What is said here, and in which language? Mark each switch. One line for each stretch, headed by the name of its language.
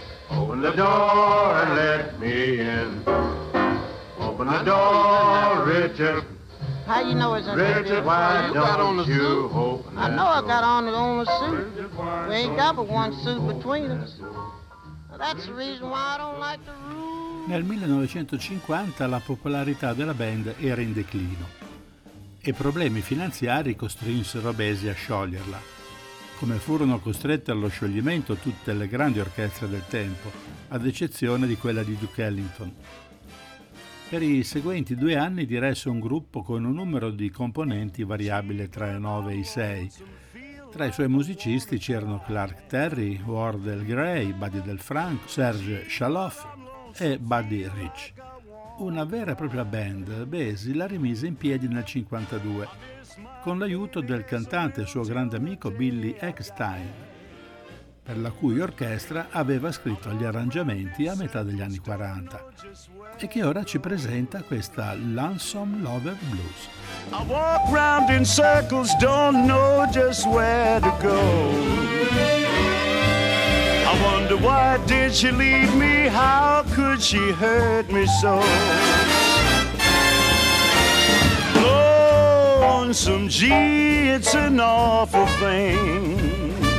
English: Open the door and let me in. Open the door, Richard. How you know it's a Richard, why don't you, got on you suit? Open that I know door. I got on the only suit. Richard, we ain't got but one suit between us.
Italian: Nel 1950 la popolarità della band era in declino e problemi finanziari costrinsero Basie a scioglierla, come furono costrette allo scioglimento tutte le grandi orchestre del tempo, ad eccezione di quella di Duke Ellington. Per i seguenti due anni diresse un gruppo con un numero di componenti variabile tra i 9 e i 6. Tra i suoi musicisti c'erano Clark Terry, Wardell Gray, Buddy Del Franco, Serge Chaloff e Buddy Rich. una vera e propria band, Basie la rimise in piedi nel 52 con l'aiuto del cantante e suo grande amico Billy Eckstine, per la cui orchestra aveva scritto gli arrangiamenti a metà degli anni 40, e che ora ci presenta questa Lonesome Lover Blues.
English: I walk round in circles, don't know just where to go. I wonder why did she leave me, how could she hurt me so. Lonesome, gee, it's an awful thing.